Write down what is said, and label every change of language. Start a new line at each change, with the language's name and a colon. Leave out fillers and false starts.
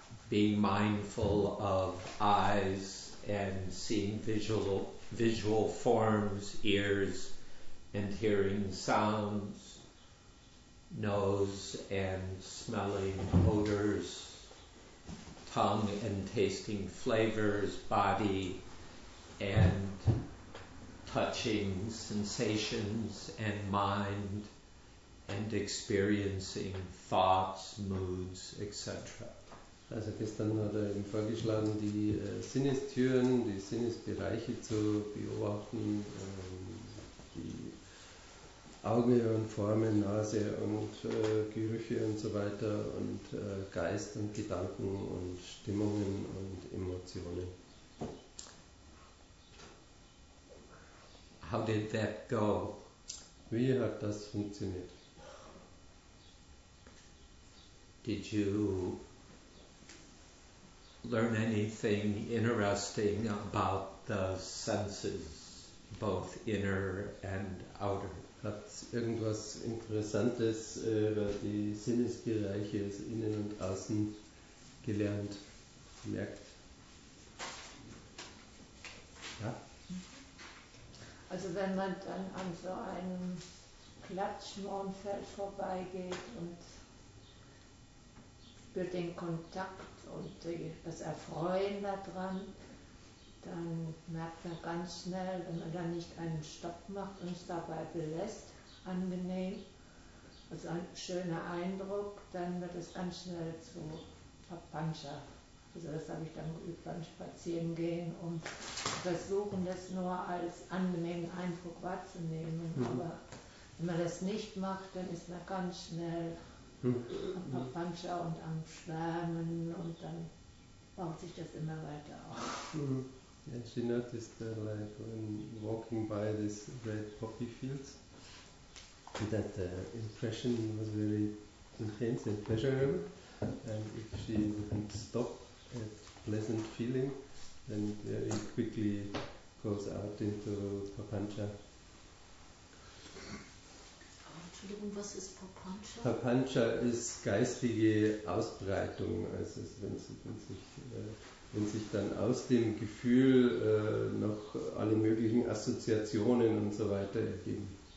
English: being mindful of eyes and seeing visual forms, ears and hearing sounds, nose and smelling odors, tongue and tasting flavors, body and touching sensations, and mind and experiencing thoughts, moods, etc.
German: Also gestern hat er eben vorgeschlagen, die Sinnestüren, die Sinnesbereiche zu beobachten, die Augen und Formen, Nase und Gerüche und so weiter, und Geist und Gedanken und Stimmungen und Emotionen.
English: How did that go?
German: Wie hat das funktioniert?
English: Did you learn anything interesting about the senses, both inner and outer?
German: Hat irgendwas Interessantes über die Sinnesbereiche, also innen und außen, gelernt, gemerkt? Ja? Also wenn man dann an so einem Klatschmornfeld vorbeigeht und für den Kontakt und das Erfreuen daran, dann merkt man ganz schnell, wenn man dann nicht einen Stopp macht und es dabei belässt, angenehm, also ein schöner Eindruck, dann wird es ganz schnell zu Papancha. Also das habe ich dann geübt beim Spazierengehen, um versuchen, das nur als angenehmen Eindruck wahrzunehmen. Mhm. Aber wenn man das nicht macht, dann ist man ganz schnell am Papancha und am Schwärmen, und dann baut sich das immer weiter auf.
English: And she noticed that, like when walking by this red poppy fields, that the impression was very intense and pleasurable. And if she wouldn't stop at pleasant feeling, then very quickly goes out into Papancha.
German: Entschuldigung, was ist Papancha? Papancha ist geistige Ausbreitung, also wenn sie wenn sich dann aus dem Gefühl noch alle möglichen Assoziationen und so weiter ergeben.